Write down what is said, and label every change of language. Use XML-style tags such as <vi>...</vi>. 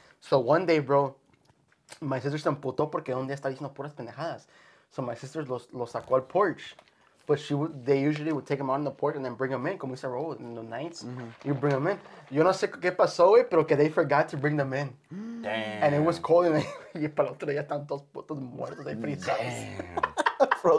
<en>So, one day, bro, my sister</en> <es>se emputó porque un día estaba diciendo puras pendejadas.</es> <en>So, my sister</en> <es>los sacó al porch.</es> <en>But they usually would take him out on the porch and then bring him in.</en> <es>Como dice Raul,</es> <en>in the nights, mm-hmm. You bring him in.</en> <es>Yo no sé qué pasó, güey, pero que</es> <en>they forgot to bring them in. Damn. And it was cold.</en> <es>Y para el otro día están todos putos muertos de frisados.</es>